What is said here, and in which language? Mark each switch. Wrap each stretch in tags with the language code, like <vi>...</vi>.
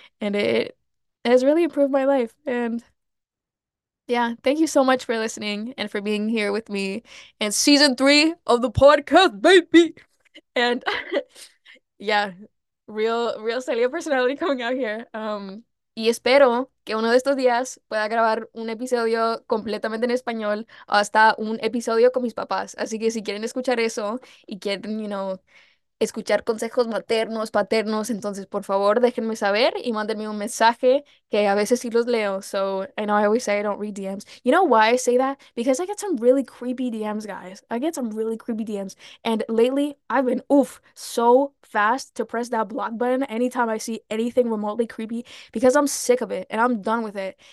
<en>And it has really improved my life. And yeah, thank you so much for listening and for being here with me in season three of the podcast, baby. And yeah. Real Celia personality coming out here.</en> <es>Y espero que uno de estos días pueda grabar un episodio completamente en español o hasta un episodio con mis papás. Así que si quieren escuchar eso y quieren,</es> <en>you know,</en> <es>escuchar consejos maternos, paternos, entonces por favor déjenme saber y mándenme un mensaje que a veces sí los leo.</es> <en>So I know I always say I don't read DMs. You know why I say that? Because I get some really creepy DMs, guys. I get some really creepy DMs. And lately I've been oof so fast to press that block button anytime I see anything remotely creepy because I'm sick of it and I'm done with it.</en>